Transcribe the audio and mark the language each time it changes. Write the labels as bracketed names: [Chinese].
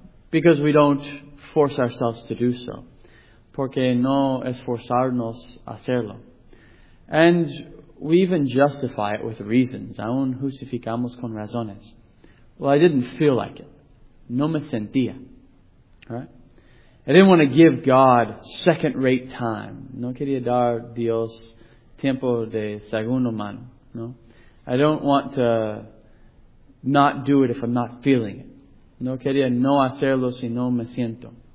[English] Because we don't force ourselves to do so. [Spanish] Porque no esforzarnos a hacerlo. [English] And we even justify it with reasons. [Spanish] Aún justificamos con razones. [English] Well, I didn't feel like it. [Spanish] No me sentía. [English] Right? I didn't want to give God second-rate time. [Spanish] No quería dar Dios tiempo de segundo mano. No? [English] I don't want to not do it if I'm not feeling it. [Spanish] No quería no hacerlo si no me siento.